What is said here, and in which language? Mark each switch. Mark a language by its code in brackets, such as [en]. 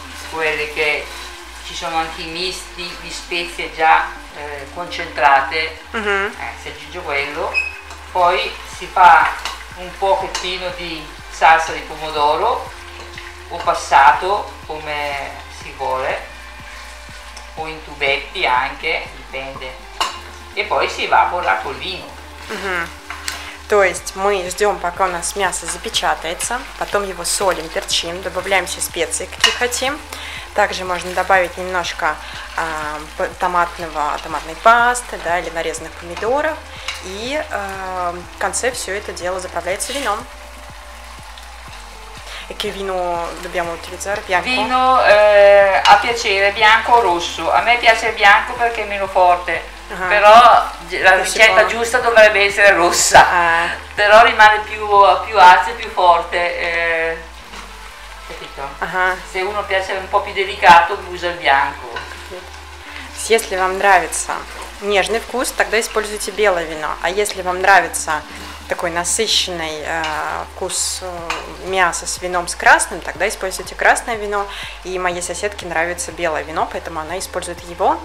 [it] quelle che ci sono anche i misti di spezie già concentrate, si aggiunge quello, poi si fa un pochettino di salsa di pomodoro o passato come si vuole, o in tubetti anche, dipende, e poi si evapora col vino. [ru] То есть мы ждем, пока у нас мясо запечатается, потом его солим, перчим, добавляем все специи, какие хотим. Также можно добавить немножко томатной пасты, да, или нарезанных помидоров. И в конце все это дело заправляется вином. [it] E che vino dobbiamo utilizzare? Bianco? Vino a piacere, bianco o rosso. A me piace il bianco perché è meno forte. Però la ricetta giusta dovrebbe essere rossa. Però rimane più alto e più forte. Capito? Se uno piace un po' più delicato, usa il bianco. Se vi piace il [ru] nежный вкус, тогда используйте белое вино. А если вам нравится такой насыщенный вкус мяса с вином с красным, тогда используйте красное вино. И моей соседке нравится белое вино, поэтому она использует его.